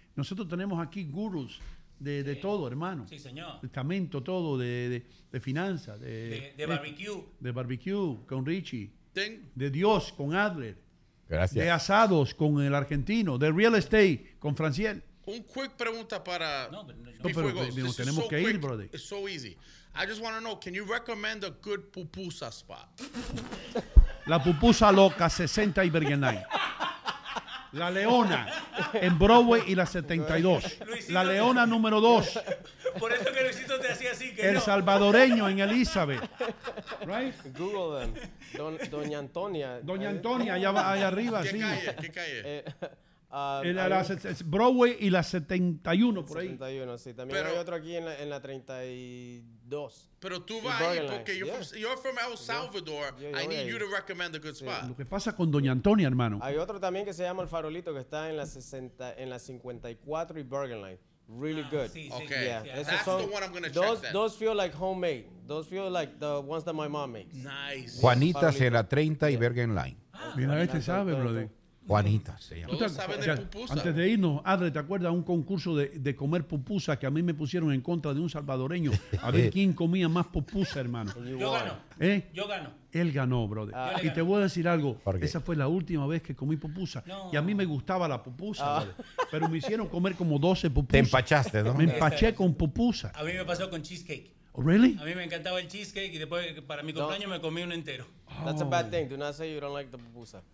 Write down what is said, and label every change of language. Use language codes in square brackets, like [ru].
[es] Nosotros tenemos aquí gurús de todo, hermano. Sí, señor. Testamento, todo, de finanzas. De barbecue. De barbecue con Richie. De Dios con Adler. Gracias. De asados con el argentino, de real estate con Franciel. Un quick pregunta para... No, tenemos que ir, brother. [en] It's so easy. I just want to know, can you recommend a good pupusa spot? [es] La pupusa loca, 60 y Bergenay. La Leona, en Broadway y la 72. La Leona número 2. Por eso que Luisito te hacía así, que El no. Salvadoreño en Elizabeth. Right? [en] Google them. Doña Antonia. [es] Doña Antonia, allá arriba, ¿qué sí. ¿Qué calle? Broadway y la 71, por ahí. 71, sí. También pero, hay otro aquí en la 32. Pero tú vas ahí porque [en] you're from El Salvador. Yo I need you to recommend a good spot. [es] Lo que pasa con Doña Antonia, hermano. Hay otro también que se llama El Farolito que está en la 54 y Bergenline. [en] Really good. [es] Sí, okay. Sí, yeah. [en] That's the one I'm going to check then. Those feel like homemade. Those feel like the ones that my mom makes. Nice. [es] Juanitas en la 30 y Bergenline. Ah, mira, este sabe, brother. Juanita, se llama. Todos saben de pupusas. Antes de irnos, Adre, ¿te acuerdas un concurso de comer pupusas que a mí me pusieron en contra de un salvadoreño? A ver quién comía más pupusas, hermano. Yo gano. ¿Eh? Yo gano. Él ganó, brother. Y te voy a decir algo. Esa fue la última vez que comí pupusa. No. Y a mí me gustaba la pupusa, pero me hicieron comer como 12 pupusas. Te empachaste, ¿no? Me empaché con pupusa. A mí me pasó con cheesecake. [en] Oh, really? [es] A mí me encantaba el cheesecake y después para mi cumpleaños me comí uno entero. [en] That's a bad thing. Do not say you don't like the pupusa.